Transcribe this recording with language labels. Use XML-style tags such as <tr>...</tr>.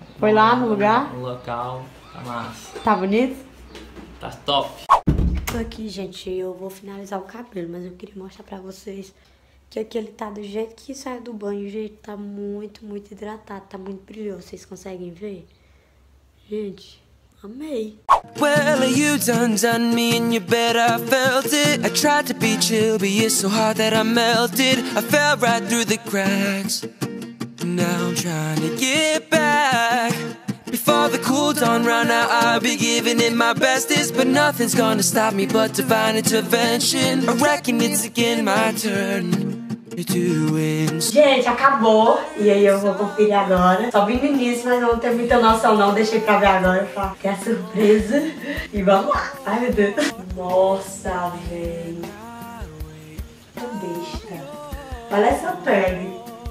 <pt>Foi lá no lugar? No local. Tá massa. Tá bonito? Tá top. Tô aqui, gente. Eu vou finalizar o cabelo, mas eu queria mostrar pra vocês que aqui ele tá do jeito que sai do banho. Gente, tá muito, muito hidratado. Tá muito brilhoso. Vocês conseguem ver? Gente, amei.</pt> <en>Well, you done done me and you bet I felt it. I tried to be chill, but you're so hard that I melted. I fell right through the cracks. Now I'm trying to get back. Before the cool dawn run out, I'll be giving it my bestest. But nothing's gonna stop me but divine intervention. I reckon it's again my turn.</en> <pt>Gente, acabou. E aí eu vou conferir agora. Só vim no início, mas não tenho muita noção não. Deixei pra ver agora, falar que é surpresa. E vamos lá. Ai, meu Deus. Nossa, velho. Que besta. Olha essa pele.</pt>